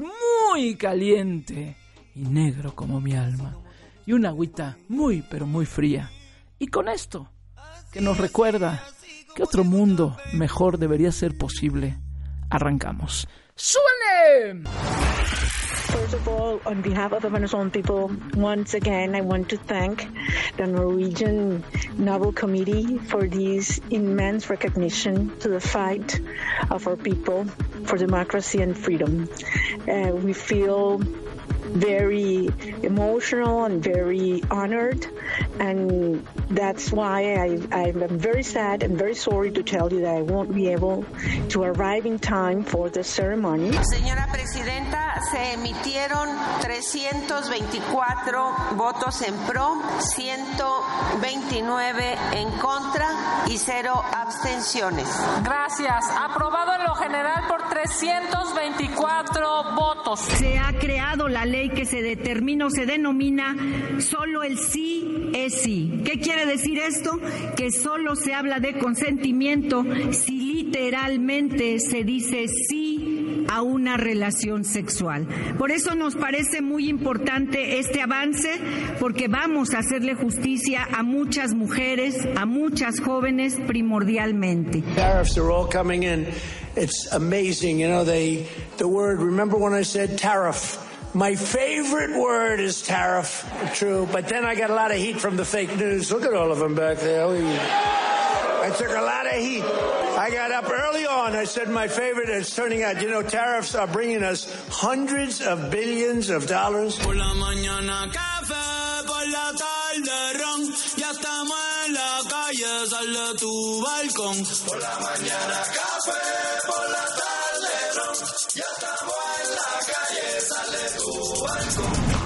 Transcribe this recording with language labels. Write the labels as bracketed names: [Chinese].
[Spanish] ¡Muy caliente! Y negro como mi alma. Y una agüita muy, pero muy fría. Y con esto, que nos recuerda que otro mundo mejor debería ser posible, arrancamos. ¡Suene! Pues [English] of all, on behalf of the Venezuelan people, once again, I want to thank the Norwegian Nobel Committee for this immense recognition to the fight of our people for democracy and freedom. We feel very emotional and very honored, and that's why I'm very sad and very sorry to tell you that I won't be able to arrive in time for the ceremony. [Spanish] Señora Presidenta, se emitieron 324 votos en pro, 129 en contra y 0 abstenciones. Gracias. Aprobado en lo general por 324 votos. Se ha creado la ley que se determina o se denomina solo el sí es sí. ¿Qué quiere decir esto? Que solo se habla de consentimiento si literalmente se dice sí a una relación sexual. Por eso nos parece muy importante este avance, porque vamos a hacerle justicia a muchas mujeres, a muchas jóvenes primordialmente. [English] Tariffs are all coming in. It's amazing, you know, the word, remember when I said tariff? My favorite word is tariff, true, but then I got a lot of heat from the fake news. Look at all of them back there. I took a lot of heat. I got up early on, I said my favorite, and it's turning out, you know, tariffs are bringing us hundreds of billions of dollars. [Spanish] Por la mañana café, por la tarde ron, ya estamos en la calle, sale tu balcón. Por la mañana café, por la tarde ron, ya estamos en la calle, sale tu balcón.